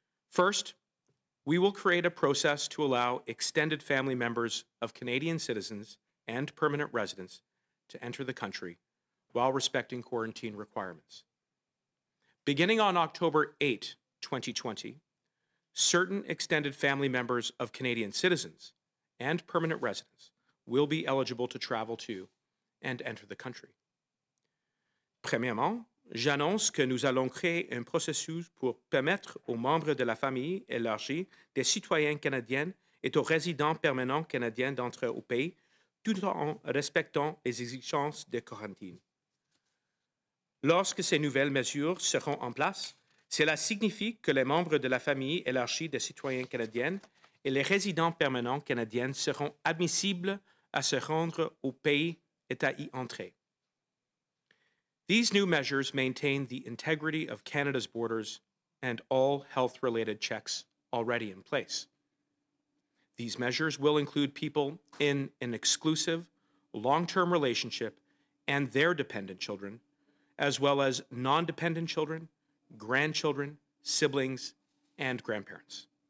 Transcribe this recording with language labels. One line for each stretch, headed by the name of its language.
English: First, we will create a process to allow extended family members of Canadian citizens and permanent residents to enter the country while respecting quarantine requirements. Beginning on October 8, 2020, certain extended family members of Canadian citizens and permanent residents will be eligible to travel to and enter the country.
French: Premièrement, j'annonce que nous allons créer un processus pour permettre aux membres de la famille élargie des citoyens canadiens et aux résidents permanents canadiens d'entrer au pays tout en respectant les exigences de quarantine. Lorsque ces nouvelles mesures seront en place, cela signifie que les membres de la famille élargie des citoyens canadiens et les résidents permanents canadiens seront admissibles à se rendre au pays et à y entrer.
English: These new measures maintain the integrity of Canada's borders and all health-related checks already in place. These measures will include people in an exclusive, long-term relationship and their dependent children, as well as non-dependent children, grandchildren, siblings, and grandparents.